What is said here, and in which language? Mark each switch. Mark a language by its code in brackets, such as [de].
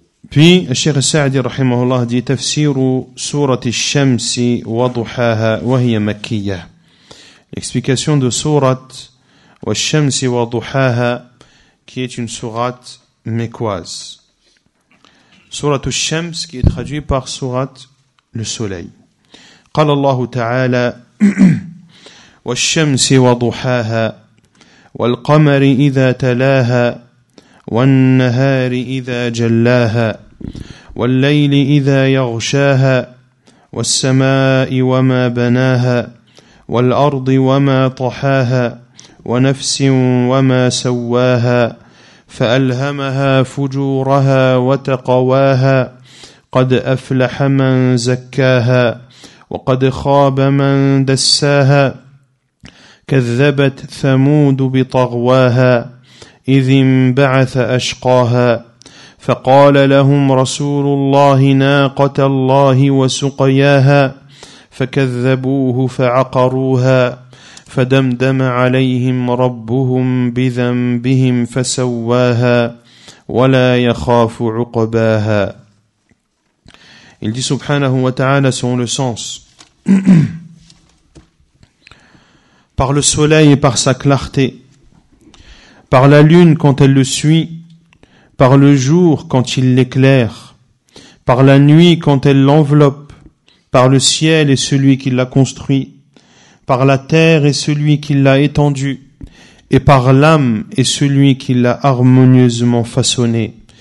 [fr] Puis, Cheikh Sa'di rahimahullah dit « [ar] Tafsiru surati shamsi wa duhaha wa hiya makkiyah [fr] » L'explication de surat « [ar] wa shamsi wa duhaha [fr] » qui est une surat mekwaz. Surat al-shams qui est traduit par surat le soleil. [ar] « Qala Allahu ta'ala « wa shamsi wa duhaha wa al-qamari idha talaha » والنهار إذا جلاها والليل إذا يغشاها والسماء وما بناها والأرض وما طحاها ونفس وما سواها فألهمها فجورها وتقواها قد أفلح من زكاها وقد خاب من دساها كذبت ثمود بطغواها إذ انبعث أشقاها فقال لهم رسول الله ناقة الله وسقياها فكذبوه فعقروها فدمدم عليهم ربهم بذنبهم فسواها ولا يخاف عقباها. [fr] Il dit [ar] سبحانه وتعالى [fr] selon le sens. Par le soleil et par sa clarté, par la lune quand elle le suit, par le jour quand il l'éclaire, par la nuit quand elle l'enveloppe, par le ciel et celui qui l'a construit, par la terre et celui qui l'a étendue, et par l'âme et celui qui l'a harmonieusement façonnée,